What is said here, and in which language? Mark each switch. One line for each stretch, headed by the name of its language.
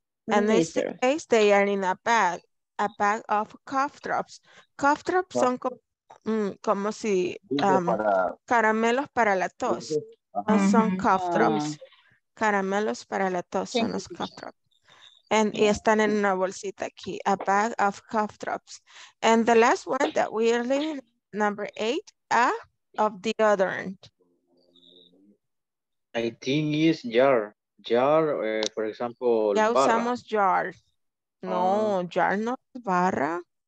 English: And in this case, they are in a bag of cough drops.
Spanish: Cough drops son como si caramelos para la tos. Son cough drops. Caramelos para la tos son los cough drops. Y están en una bolsita aquí.
English: A bag of cough drops. And the last one that we are leaving, number eight, a of deodorant. I think it's jar. Jar, for example.
Spanish: Ya usamos jar. No, jar no es barra.